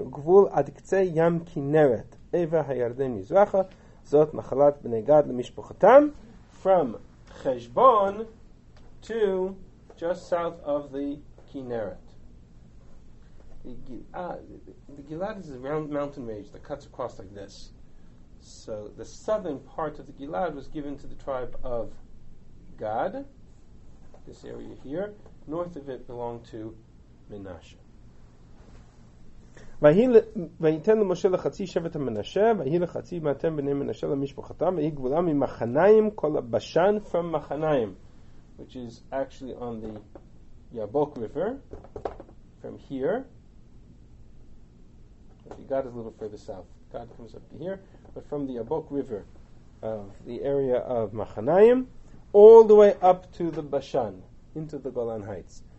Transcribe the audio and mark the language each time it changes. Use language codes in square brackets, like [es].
[he] וגבול עד קצה ים כנרת, עבר הירדן מזרחה, זאת נחלת בני גד למשפחתם. [en] From חשבון to just south of the Kinneret. The Gilad is a round mountain range that cuts across like this. So the southern part of the Gilad was given to the tribe of Gad, this area here. north of it belonged to Menashe. [he] ויתן למשה לחצי שבט המנשה, ויהי לחצי מאתם בני מנשה למשפחתם, ויהי גבולה ממחניים כל הבשן from מחניים, [en] which is actually on the Yabok River, from here. God is a little further south. God comes up to here, but from the Yabok River, of the area of Machanaim, all the way up to the Bashan, into the Golan Heights.